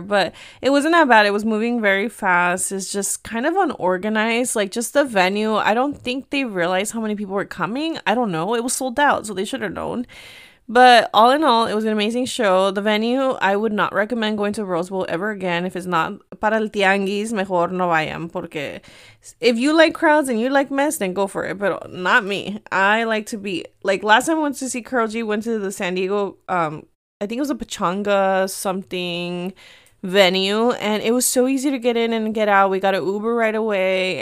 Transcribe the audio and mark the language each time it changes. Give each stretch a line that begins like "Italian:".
English: But it wasn't that bad. It was moving very fast. It's just kind of unorganized. Like, just the venue, I don't think they realized how many people were coming. I don't know. It was sold out, so they should have known. But all in all, it was an amazing show. The venue, I would not recommend going to Rose Bowl ever again. If it's not
Spanish: para el tianguis, mejor no vayan. Porque
English: if you like crowds and you like mess, then go for it. But not me. I like to be... Like, last time I went to see Carol G, went to the San Diego... I think it was a Pachanga something venue. And it was so easy to get in and get out. We got an Uber right away.